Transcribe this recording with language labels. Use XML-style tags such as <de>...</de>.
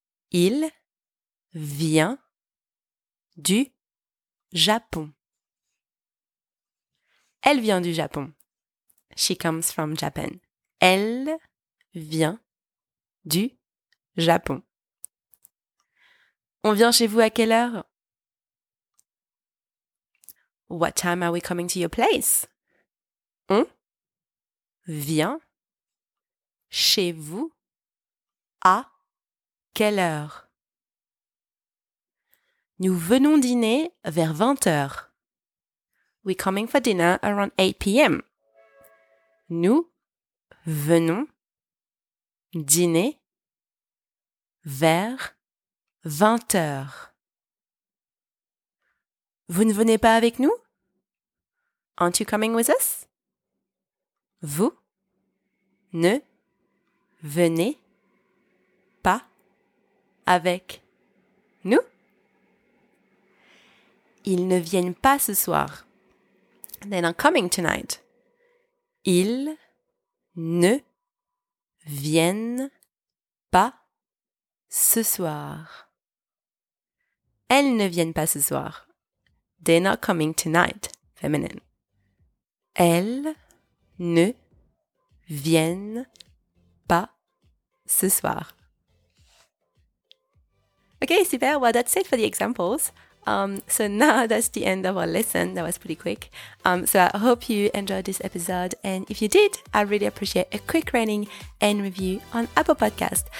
<fr>Il vient du Japon. Elle vient du Japon.</fr> <en>She comes from Japan.</en> <fr>Elle vient du Japon. On vient chez vous à quelle heure?</fr> <en>What time are we coming to your place?</en> <fr>On vient chez vous à quelle heure? Nous venons dîner vers 20h.</fr> <en>We're coming for dinner around 8 p.m.</en> <fr>Nous venons dîner vers 20h. Vous ne venez pas avec nous?</fr> <en>Aren't you coming with us?</en> <fr>Vous ne venez pas avec nous? Ils ne viennent pas ce soir.</fr> <en>They're not coming tonight.</en> <fr>Ils ne viennent pas ce soir. Elles ne viennent pas ce soir.</fr> <en>They're not coming tonight, feminine.</en> <fr>Elles ne viennent pas ce soir.</fr> <en>Okay, super. Well, that's it for the examples. So now that's the end of our lesson. That was pretty quick. So I hope you enjoyed this episode. And if you did, I really appreciate a quick rating and review on Apple Podcasts.</en>